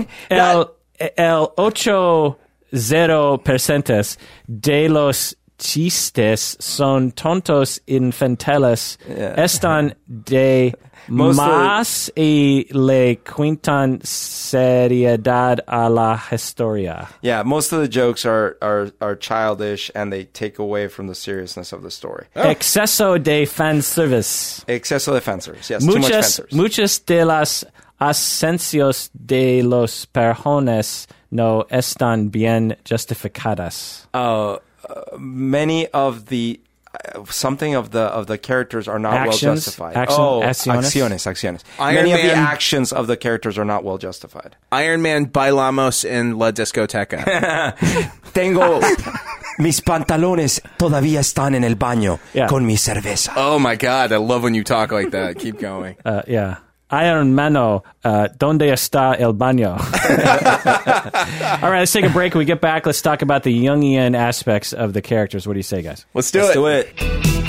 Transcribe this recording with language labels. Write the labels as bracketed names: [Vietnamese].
[Spanish] El 80% de los chistes son tontos infantiles están de más y le quitan seriedad a la historia. [English] Yeah, most of the jokes are childish and they take away from the seriousness of the story. [Spanish] Oh. Exceso de fan service. Exceso de fan service. Yes, muchas de las ausencias de los perjones no están bien justificadas. [English] Many of the something of the characters are not actions, well justified. [Spanish] Acciones. [English] Many of the actions of the characters are not well justified. [Spanish] Iron Man bailamos en la discoteca. Tengo mis pantalones todavía están en el baño con mi cerveza. [English] Oh my God, I love when you talk like that. Keep going. [Spanish] Iron Mano, ¿dónde está el baño? [English] All right, let's take a break. When we get back, let's talk about the Jungian aspects of the characters. What do you say, guys? Let's do it.